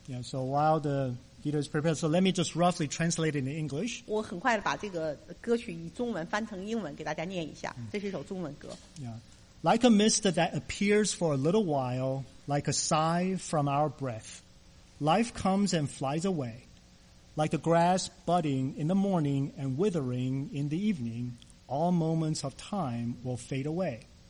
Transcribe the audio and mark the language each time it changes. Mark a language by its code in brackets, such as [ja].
[en] Yeah. So while the Peter is prepared, so let me just roughly translate it in English. [zh] 我很快的把这个歌曲以中文翻成英文给大家念一下。这是一首中文歌。 [en] Yeah. Like a mist that appears for a little while, like a sigh from our breath, life comes and flies away. Like the grass budding in the morning and withering in the evening, all moments of time will fade away.